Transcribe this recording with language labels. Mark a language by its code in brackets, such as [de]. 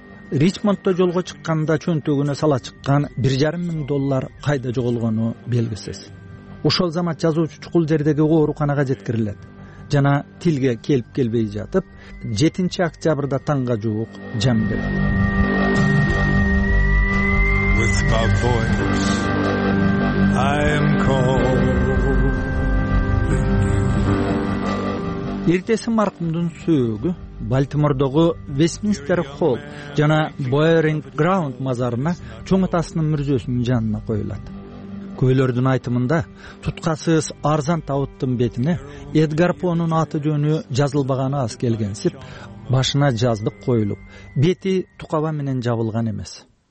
[ky] Ричмондто жолго чыкканда чөнтөгүнө сала чыккан 1,500 доллар кайда жоголгону белгисиз. Ошол замат жазуучу чукул жердеги ооруканага жеткирилет жана тилге келип келбей жатып 7 октябрда таңга жуук жан берет. [en] With my voice, I am calling you. [ky] Эртеси маркумдун сөөгү Балтимордогу Вестминстер Холл жана Боеринг Граунд мазарына чоң атасынын мүрзөсүнүн жанына коюлат. Күбөлөрдүн айтымында туткасыз арзан табыттын бетине Эдгар Понун аты жөнү жазылбаганы аз келгенсип, башына жаздык коюлуп, бети тукаба менен жабылган эмес.